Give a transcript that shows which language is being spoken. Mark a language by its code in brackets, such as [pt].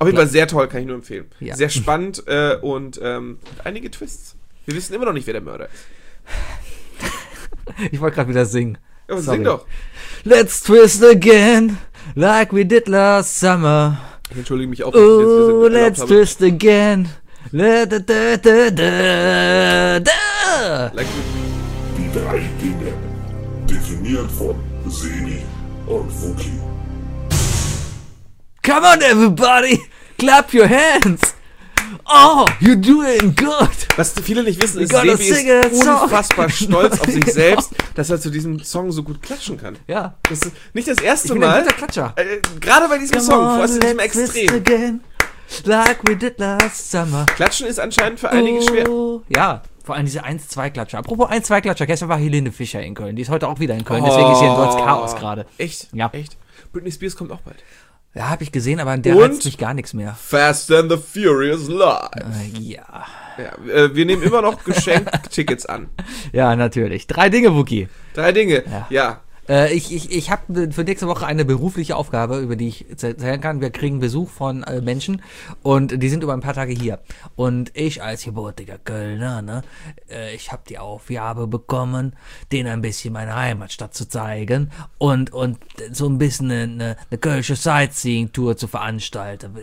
[de] auf jeden Fall sehr toll, kann ich nur empfehlen. Ja. Sehr spannend und einige Twists. Wir wissen immer noch nicht, wer der Mörder ist. Ich wollte gerade wieder singen. Ja, sing doch. [en] Let's twist again, like we did last summer. [de] Ich entschuldige mich auch, wenn ich das let's habe. [en] Twist again. [de] Die drei Dinge, definiert von Semi und Wookie. [en] Come on, everybody, clap your hands. Oh, you're doing good. [de] Was viele nicht wissen, ist, Sebi ist unfassbar stolz auf sich selbst, dass er zu diesem Song so gut klatschen kann. Ja. Das ist nicht das erste Mal. Ich bin ein guter Klatscher. Gerade bei diesem Song, vor allem extrem. [en] Again, like we did last summer. [de] Klatschen ist anscheinend für einige schwer. Ja, vor allem diese 1-2-Klatscher. Apropos 1-2-Klatscher, gestern war Helene Fischer in Köln. Die ist heute auch wieder in Köln, deswegen ist hier ein dort Chaos gerade. Echt? Ja. Echt? Britney Spears kommt auch bald. Ja, habe ich gesehen, aber an der heizt mich gar nichts mehr. Fast and the Furious Live. Ja. Ja, wir nehmen immer noch Geschenktickets an. Ja, natürlich. Drei Dinge, Wookie. Drei Dinge, ja. Ich habe für nächste Woche eine berufliche Aufgabe, über die ich erzählen kann. Wir kriegen Besuch von Menschen und die sind über ein paar Tage hier. Und ich als gebürtiger Kölner, ne, ich habe die Aufgabe bekommen, denen ein bisschen meine Heimatstadt zu zeigen und so ein bisschen eine kölsche Sightseeing-Tour zu veranstalten.